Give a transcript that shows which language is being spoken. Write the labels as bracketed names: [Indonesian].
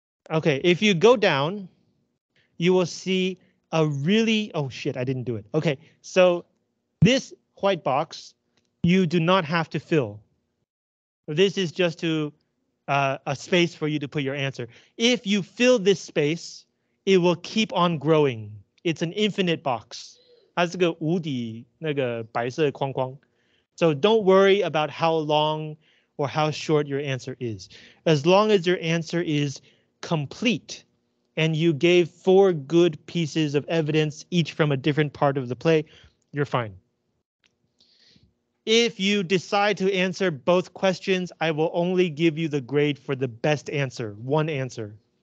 [English] Okay, if you go down, you will see a really, oh shit, I didn't do it. Okay, so this white box you do not have to fill. This is just to a space for you to put your answer. If you fill this space, it will keep on growing. It's an infinite box. [Chinese] 它是个无底那个白色框框. [English] So don't worry about how long or how short your answer is. As long as your answer is complete and you gave four good pieces of evidence, each from a different part of the play, you're fine. If you decide to answer both questions, I will only give you the grade for the best answer, one answer.